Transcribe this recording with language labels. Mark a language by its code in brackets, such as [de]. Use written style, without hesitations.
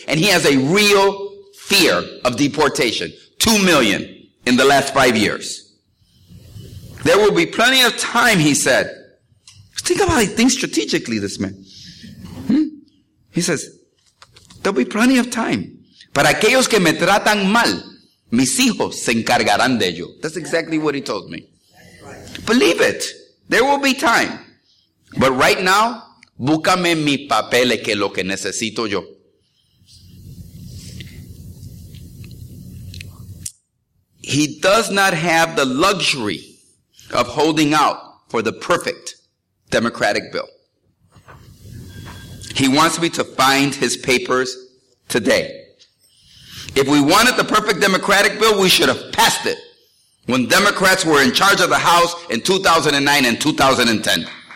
[en] And he has a real fear of deportation. 2 million in the last 5 years. There will be plenty of time, he said, Think about it. Think strategically, this man. He says, there'll be plenty of time. [es] Para aquellos que me tratan mal, mis hijos se encargarán de ello. [en] That's exactly what he told me. Believe it. There will be time. But right now, [es] búscame mi papel, que es lo que necesito yo. [en] He does not have the luxury of holding out for the perfect Democratic bill. He wants me to find his papers today. If we wanted the perfect Democratic bill, we should have passed it when Democrats were in charge of the House in 2009 and 2010.